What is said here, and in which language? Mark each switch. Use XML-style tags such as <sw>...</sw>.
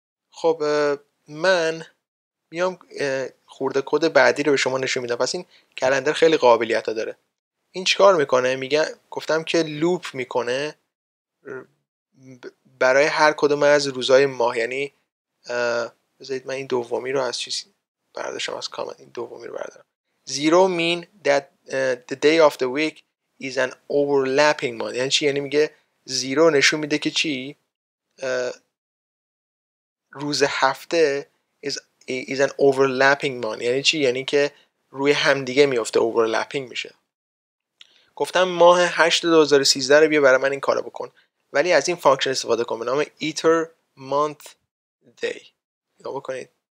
<fa>خب من میام خورده کد بعدی رو به شما نشون میدم. پس این کلندر خیلی قابلیت داره. این چیکار میکنه؟ میگه گفتم که لوپ میکنه برای هر کدوم از روزهای ماه. یعنی بذارید من این دومی رو از چیزی برداشتم از کامنت این دومی رو بردارم.</fa> <en>Zero mean that the day of the week is an overlapping month.</en> <fa>یعنی چی؟ یعنی میگه zero نشون میده که چی؟ روز هفته</fa> <en>is an overlapping month.</en> <fa>یعنی چی؟ یعنی که روی همدیگه میفته overlapping میشه. گفتم ماه 8/2013 رو بیا برای من این کارو بکن. ولی از این فانکشن استفاده کن به نام iter month day. نگاه بکنید.</fa>